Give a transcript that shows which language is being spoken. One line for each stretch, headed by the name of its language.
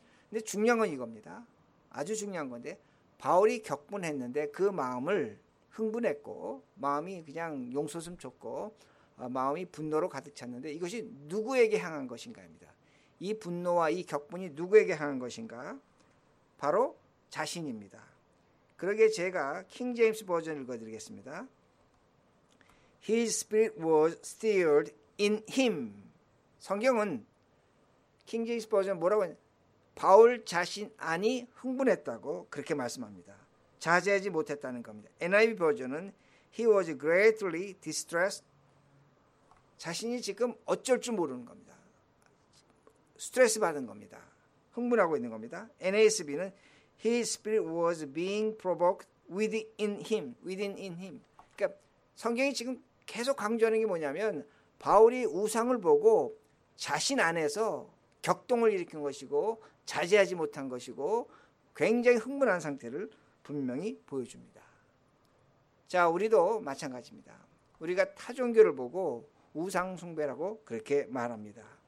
Korean: 근데 중요한 건 이겁니다. 아주 중요한 건데 바울이 격분했는데 그 마음을 흥분했고 마음이 그냥 용서심 좋고 마음이 분노로 가득 찼는데 이것이 누구에게 향한 것인가입니다. 이 분노와 이 격분이 누구에게 향한 것인가? 바로 자신입니다. 그러게 제가 킹 제임스 버전을 읽어드리겠습니다.
English: His spirit was stirred in him.
Korean: 성경은 킹 제임스 버전 뭐라고 했냐? 바울 자신 안이 흥분했다고 그렇게 말씀합니다. 자제하지 못했다는 겁니다.
English: NIV
Korean: 버전은
English: He was greatly distressed.
Korean: 자신이 지금 어쩔 줄 모르는 겁니다. 스트레스 받은 겁니다. 흥분하고 있는 겁니다.
English: NASB는 His spirit was being provoked within him. Within him.
Korean: 그러니까 성경이 지금 계속 강조하는 게 뭐냐면 바울이 우상을 보고 자신 안에서 격동을 일으킨 것이고 자제하지 못한 것이고 굉장히 흥분한 상태를 분명히 보여줍니다. 자, 우리도 마찬가지입니다. 우리가 타종교를 보고 우상 숭배라고 그렇게 말합니다.